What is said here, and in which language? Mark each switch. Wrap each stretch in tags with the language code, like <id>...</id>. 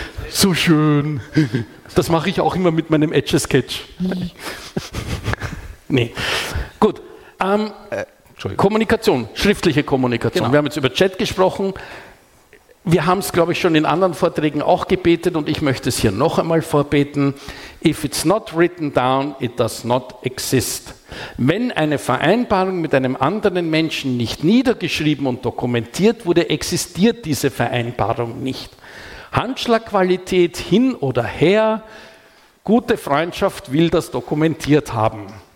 <de>So schön. Das mache ich auch immer mit meinem Edge-Sketch. Nee. Gut. Kommunikation, schriftliche Kommunikation. Genau. Wir haben jetzt über Chat gesprochen. Wir haben es, glaube ich, schon in anderen Vorträgen auch gebetet und ich möchte es hier noch einmal vorbeten.</de> <en>If it's not written down, it does not exist.</en> <de>Wenn eine Vereinbarung mit einem anderen Menschen nicht niedergeschrieben und dokumentiert wurde, existiert diese Vereinbarung nicht. Handschlagqualität hin oder her, gute Freundschaft will das dokumentiert haben.</de>